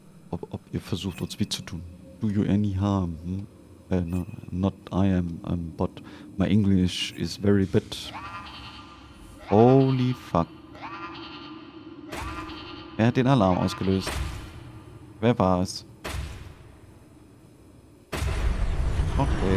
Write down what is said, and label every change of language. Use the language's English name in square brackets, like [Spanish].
[German] Ob ihr versucht, uns weh zu tun. [English] Do you any harm, hm? No, not I am, but my English is very bad. Holy fuck. [German] Er hat den Alarm ausgelöst. Wer war es? Okay.